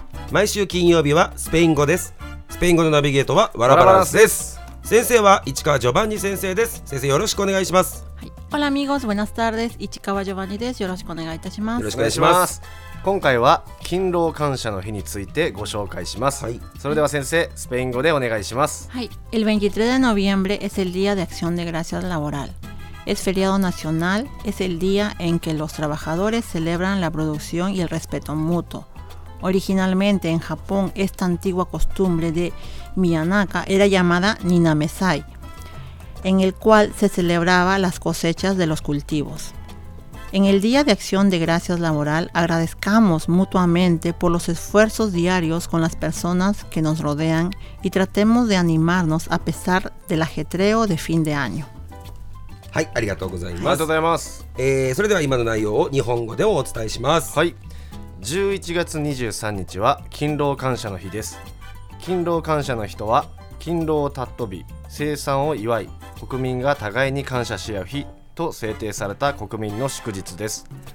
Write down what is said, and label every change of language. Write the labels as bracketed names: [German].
[Japanese] 毎週金曜日はスペイン語です。スペイン語のナビゲートはワラバランスです。先生は市川ジョバンニ先生です。先生よろしくお願いします。オラミゴスブナスタールです。市川ジョバンニです。よろしくお願いいたします。よろしくお願いします。今回は勤労感謝の日についてご紹介します。はい、それでは先生、スペイン語でお願いします。はい、 [Spanish] El 23 de noviembre es el día de acción de gracias laboral. Es feriado nacional. Es el día en que los trabajadores celebran la producción y el respeto mutuo. Originalmente en Japón, esta antigua costumbre de Miyanaka era llamada Ninamesai, en el cual se celebraba las cosechas de los cultivos. En el Día de Acción de Gracias Laboral, agradezcamos mutuamente por los esfuerzos diarios con las personas que nos rodean y tratemos de animarnos a pesar del ajetreo de fin de año. [Japanese] はい、ありがとうございます。ありがとうございます。それでは今の内容を日本語でお伝えします。はい。 11月23日は勤労感謝の日です。勤労感謝の人は勤労を尊び、生産を祝い、国民が互いに感謝し合う日と制定された国民の祝日です。